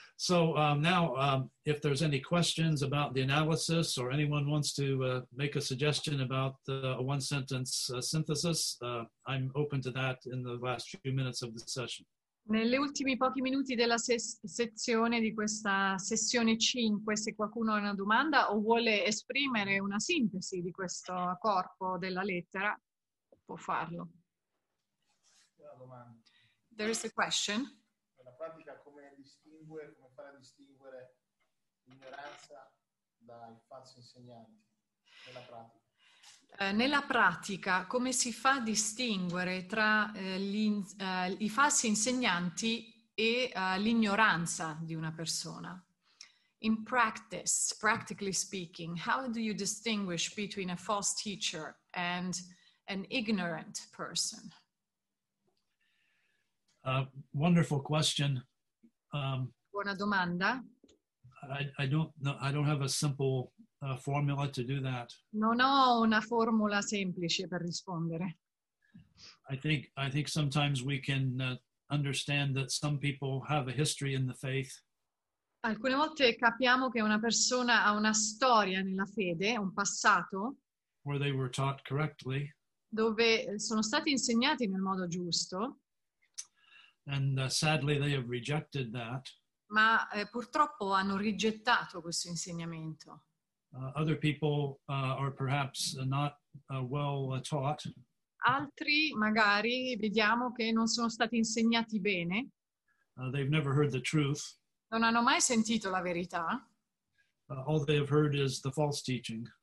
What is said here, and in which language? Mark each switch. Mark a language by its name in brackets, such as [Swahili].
[English] So if there's any questions about the analysis or anyone wants to make a suggestion about a one sentence synthesis, I'm open to that in the last few minutes of the session. [Italian] Nelle ultimi pochi minuti della sezione di questa sessione 5, se qualcuno ha una domanda o vuole esprimere una sintesi di questo corpo della lettera, può farlo. Una domanda. [English] There is a question. [Italian] Nella pratica, come fare a distinguere l'ignoranza dai falsi insegnanti? Nella pratica. Nella pratica, come si fa a distinguere tra i falsi insegnanti e l'ignoranza di una persona? [English] In practice, practically speaking, how do you distinguish between a false teacher and an ignorant person? Wonderful question. [Italian] Buona domanda. [English] I don't have a simple formula to do that. [Italian] Non ho una formula semplice per rispondere. [English] I think sometimes we can understand that some people have a history in the faith. [Italian] Alcune volte capiamo che una persona ha una storia nella fede, un passato. [English] Where they were taught correctly. [Italian] Dove sono stati insegnati nel modo giusto. [English] And sadly they have rejected that. [Italian] Ma purtroppo hanno rigettato questo insegnamento. [English] Other people are perhaps not well taught. [Italian] altri magari vediamo che non sono stati insegnati bene. [English] They've never heard the truth. [Italian] Non hanno mai sentito la verità. [English] All they have heard is the false teaching.